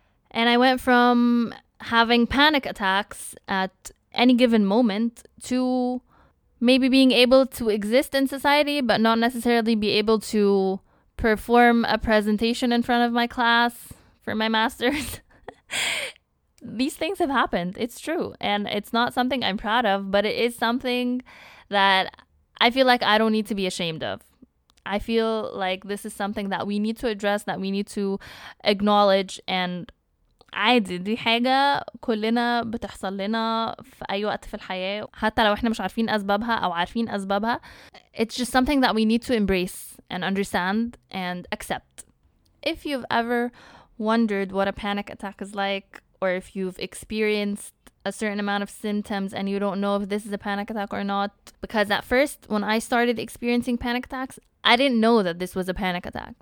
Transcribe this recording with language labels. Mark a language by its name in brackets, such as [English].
[English] And I went from having panic attacks at any given moment to maybe being able to exist in society, but not necessarily be able to perform a presentation in front of my class for my master's. These things have happened. It's true. And it's not something I'm proud of, but it is something that I feel like I don't need to be ashamed of. I feel like this is something that we need to address, that we need to acknowledge. And I did the [Arabic] حاجة كلنا بتحصل لنا في أي وقت في الحياة حتى لو إحنا مش عارفين أسبابها أو عارفين أسبابها. [English] It's just something that we need to embrace and understand and accept. If you've ever wondered what a panic attack is like, or if you've experienced a certain amount of symptoms and you don't know if this is a panic attack or not, because at first when I started experiencing panic attacks, I didn't know that this was a panic attack.